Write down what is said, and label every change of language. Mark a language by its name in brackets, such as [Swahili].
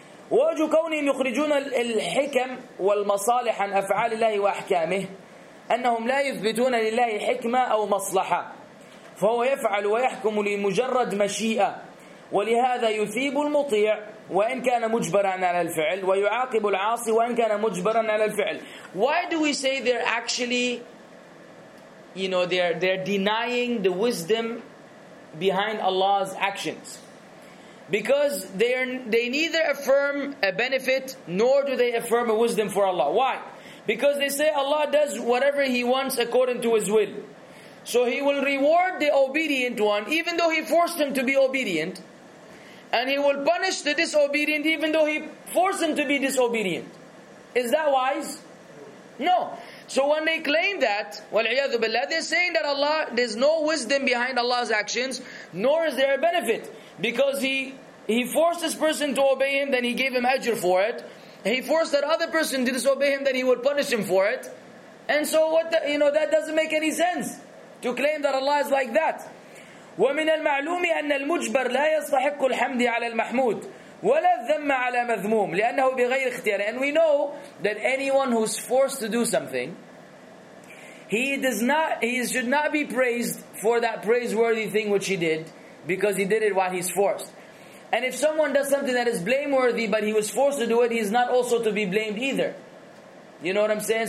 [Arabic] وَوَجُ كَوْنِهِمْ يُخْرِجُونَ الْحِكَمْ وَالْمَصَالِحَ عَنْ أَفْعَالِ اللَّهِ وَأَحْكَامِهِ أَنَّهُمْ لَا يُثْبِتُونَ لِلَّهِ حِكْمَةً أَوْ مَصْلَحَةً فَهُوَ يَفْعَلُ وَيَحْكُمُ لِمُجَرَّدْ مَشِيئَةً ولهذا يثيب المطيع وإن كان مجبرا على الفعل ويعاقب العاصي وإن كان مجبرا على الفعل. [English] Why do we say they're actually, you know, they're denying the wisdom behind Allah's actions? Because they neither affirm a benefit nor do they affirm a wisdom for Allah. Why? Because they say Allah does whatever He wants according to His will. So He will reward the obedient one even though He forced him to be obedient. And He will punish the disobedient even though He forced him to be disobedient. Is that wise? No. So when they claim that, [Arabic] وَالْعِيَاذُ بِاللَّهِ, [English] they're saying that Allah, there's no wisdom behind Allah's actions, nor is there a benefit. Because He forced this person to obey Him, then He gave him ajr for it. He forced that other person to disobey Him, then He would punish him for it. And so that doesn't make any sense, to claim that Allah is like that. [Arabic] ومن المعلوم أن المجبر لا يستحق الحمد على المحمود ولا الذم على مذموم لأنه بغير اختيار. [English] And we know that anyone who's forced to do something, he should not be praised for that praiseworthy thing which he did, because he did it while he's forced. And if someone does something that is blameworthy but he was forced to do it, he's not also to be blamed either. You know what I'm saying?